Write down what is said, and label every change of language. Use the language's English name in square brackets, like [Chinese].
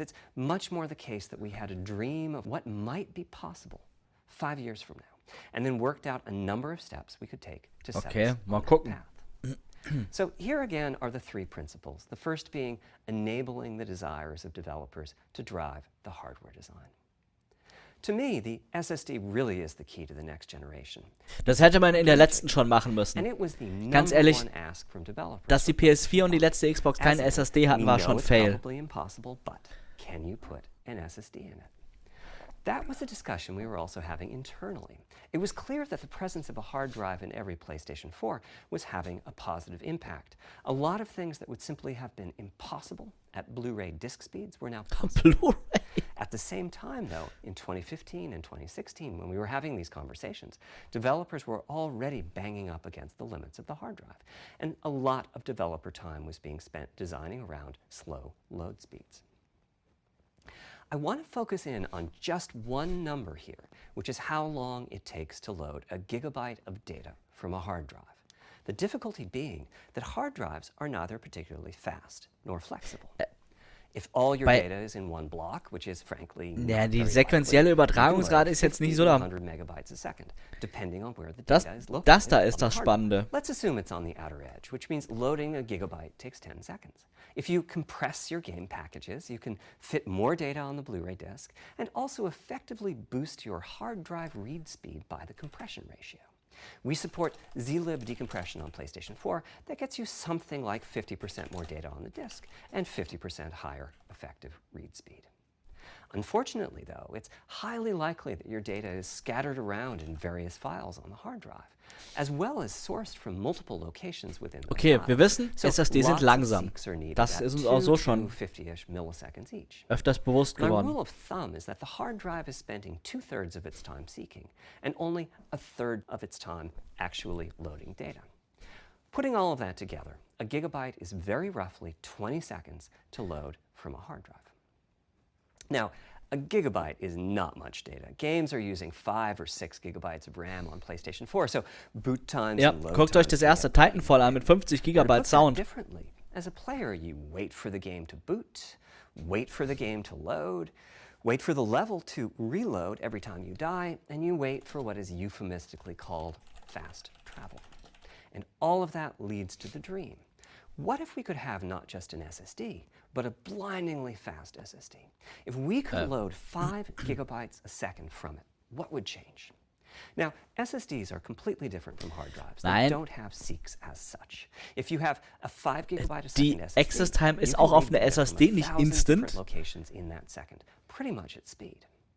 [English] It's much more the case that we had a dream of what might be possible 5 years from now, and then worked out a number of steps we could take to set us on that path. So here again are the three principles, the first being enabling the desires of developers to drive the hardware design. To me, the SSD really is the key to the next generation. [German] Das hätte man in der letzten schon machen müssen. Ganz ehrlich, dass die PS4 und die letzte Xbox keine SSD hatten, war schon fail. [English] It's probably impossible, but can you put an SSD in it? That was a discussion we were also having internally. It was clear that the presence of a hard drive in every PlayStation 4 was having a positive impact. A lot of things that would simply have been impossible at Blu-ray disc speeds were now possible. Blu-ray. At the same time, though, in 2015 and 2016, when we were having these conversations, developers were already banging up against the limits of the hard drive. And a lot of developer time was being spent designing around slow load speeds. I want to focus in on just one number here, which is how long it takes to load a gigabyte of data from a hard drive. The difficulty being that hard drives are neither particularly fast nor flexible. If all your data is in one block, which is frankly not very likely, [German] die sequentielle Übertragungsrate ist jetzt nicht so da. [English] 100 megabytes a second, depending on where the data is located. [German] Das da ist das Spannende. [English] Let's assume it's on the outer edge, which means loading a gigabyte takes 10 seconds. If you compress your game packages, you can fit more data on the Blu-ray disc and also effectively boost your hard drive read speed by the compression ratio. We support zlib decompression on PlayStation 4 that gets you something like 50% more data on the disk and 50% higher effective read speed. Unfortunately, though, it's highly likely that your data is scattered around in various files on the hard drive, as well as sourced from multiple locations within the [German] Okay, wir wissen, SSD sind langsam. Das ist uns auch so schon öfters bewusst geworden. [English] My rule of thumb is that the hard drive is spending 2/3 of its time seeking and only 1/3 of its time actually loading data. Putting all of that together, a gigabyte is very roughly 20 seconds to load from a hard drive. Now, a gigabyte is not much data. Games are using 5 or 6 gigabytes of RAM on PlayStation 4, so boot times and load times. [German] Guckt euch das erste Titanfall an mit 50 gigabyte Sound. [English] Differently, as a player, you wait for the game to boot, wait for the game to load, wait for the level to reload every time you die, and you wait for what is euphemistically called fast travel. And all of that leads to the dream. What if we could have not just an SSD, but a blindingly fast SSD? If we could load 5 gigabytes a second from it, what would change? Now, SSDs are completely different from hard drives. [German] Nein. [English] They don't have seeks as such. If you have a 5 gigabyte a second SSD, access time is [German] auch auf einer SSD, nicht instant. [English] Locations in that second, pretty much at speed.